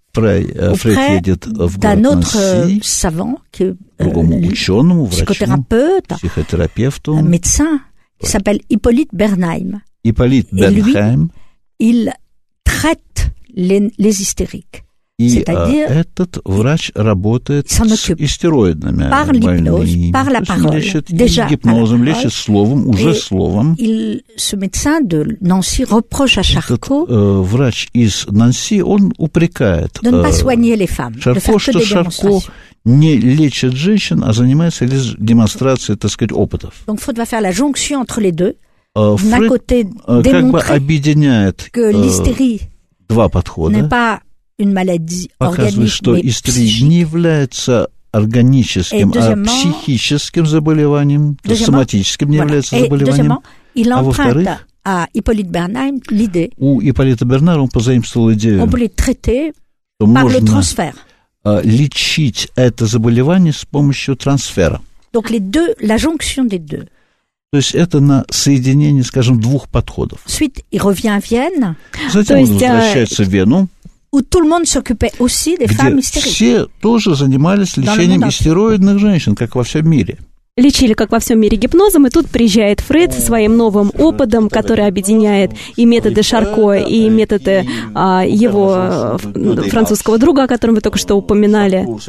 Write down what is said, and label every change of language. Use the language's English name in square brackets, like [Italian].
[French] auprès d'un autre savant, psychothérapeute, un médecin, qui s'appelle Hippolyte Bernheim. Hippolyte Bernheim. Il traite les hystériques. [Russian] И этот врач работает с истероидными больными, лечит [French] déjà, [Russian] гипнозом, лечит словом, уже [French] et [Russian] словом. [French] Ce médecin de Nancy reproche à Charcot, [Russian] этот врач из Нанси, он упрекает Шарко, что Шарко не лечит женщин, а занимается лишь демонстрацией, так сказать, опытов. [French] Donc, Freud va faire la jonction entre les deux. [Russian] Фрейд как бы объединяет два подхода. [French] N'est pas une maladie organique, [Russian] что [French] mais [Russian] истрия [French] psychique. [Russian] Не является органическим, а психическим заболеванием, соматическим не является заболеванием. [French] Il emprunte à Hippolyte Bernheim l'idée. [Russian] У Ипполита Бернара он позаимствовал идею. [French] On peut les traiter par le transfert. [Russian] Лечить это заболевание с помощью трансфера. [French] Donc les deux, la jonction des deux. [Russian] То есть это на соединение, скажем, двух подходов. [French] Ensuite, il revient à Vienne. [Russian] Затем то он есть, возвращается в Вену. [French] Où tout le monde s'occupait aussi des femmes hystériques. [Russian] Все тоже занимались лечением истероидных женщин, как во всем мире. Лечили, как во всем мире, гипнозом, и тут приезжает Фрейд со своим новым опытом, который объединяет и методы Шарко, и методы его французского друга, о котором вы только что упоминали.